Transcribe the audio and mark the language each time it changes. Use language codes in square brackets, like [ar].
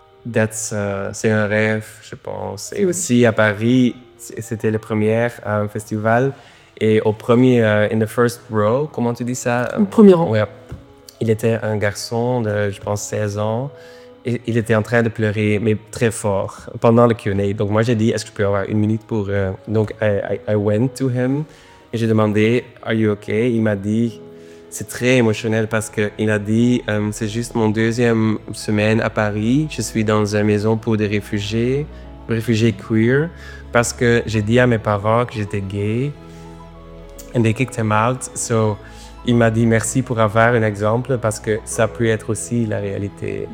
[fr] That's, c'est un rêve, je pense. Et aussi à Paris, c'était le premier festival. Et au premier, [en] in the first row, [fr] comment tu dis ça? Au premier rang. Ouais. Il était un garçon de, je pense, 16 ans. Et il était en train de pleurer, mais très fort, pendant le Q&A. Donc moi, j'ai dit, est-ce que je peux avoir une minute pour... [en] Donc, I went to him [fr] et j'ai demandé, [en] are you okay? [fr] Il m'a dit, c'est très émotionnel parce qu'il a dit, c'est juste mon deuxième semaine à Paris. Je suis dans une maison pour des réfugiés, queer, parce que j'ai dit à mes parents que j'étais gay. [en] And they kicked him out. [fr] So, il m'a dit merci pour avoir un exemple parce que ça peut être aussi la réalité.